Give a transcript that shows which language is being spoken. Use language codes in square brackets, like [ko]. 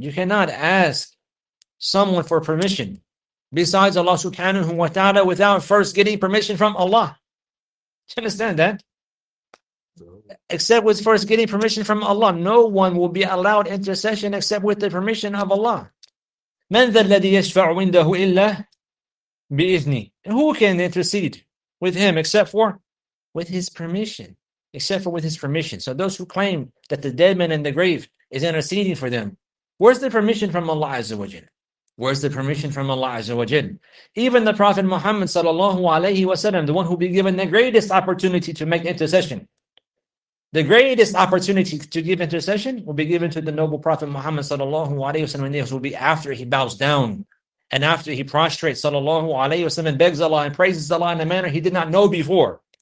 [en] You cannot ask someone for permission besides Allah subhanahu wa ta'ala without first getting permission from Allah. Do you understand that? Except with first getting permission from Allah. No one will be allowed intercession except with the permission of Allah. [ar] من ذا الذي يشفع عنده إلا بإذنه. [en] And who can intercede with him except for with his permission? Except for with his permission. So those who claim that the dead man in the grave is interceding for them, where's the permission from Allah Azza wa Jal? Where's the permission from Allah Azza wa Jal? Even the Prophet Muhammad sallallahu alayhi wa sallam, the one who be given the greatest opportunity to make intercession, the greatest opportunity to give intercession will be given to the noble Prophet Muhammad sallallahu alayhi wa sallam, and this will be after he bows down and after he prostrates sallallahu alayhi wa sallam and begs Allah and praises Allah in a manner he did not know before.